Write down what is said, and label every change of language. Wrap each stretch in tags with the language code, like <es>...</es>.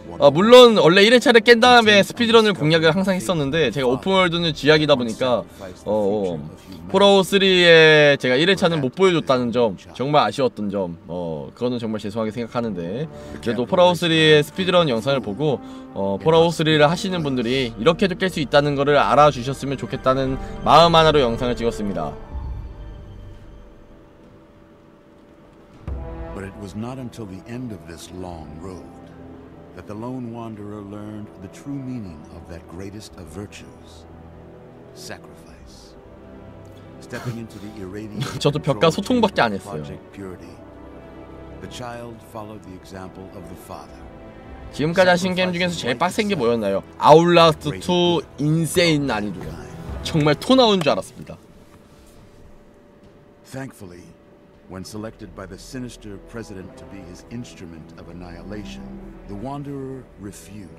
<ko>아, 물론 원래 1회차를 깬 다음에 스피드런을 공략을 항상 했었는데 제가 오픈월드는 쥐약이다 보니까 폴아웃3에 제가 1회차는 못 보여줬다는 점, 정말 아쉬웠던 점, 그거는 정말 죄송하게 생각하는데 그래도 폴아웃3의 스피드런 영상을 보고 폴아웃3를 하시는 분들이 이렇게도 깰 수 있다는 거를 알아주셨으면 좋겠다는 마음 하나로 영상을 찍었습니다.</ko> <en>But it was not until the end of this long road that the lone wanderer learned the true meaning of that greatest of virtues, sacrifice. Stepping into the irradiated</en> <ko>저도 벽과 소통밖에 안 했어요.</ko> <en>The child followed the example of the father.</en> <ko>지금까지 하신 게임 중에서 제일 빡센 게 뭐였나요? 아웃라스트 2 인세인 난이도요. 정말 토 나온 줄 알았습니다.</ko> <en>Thankfully. When selected by the sinister president to be his instrument of annihilation, the wanderer refused.</en>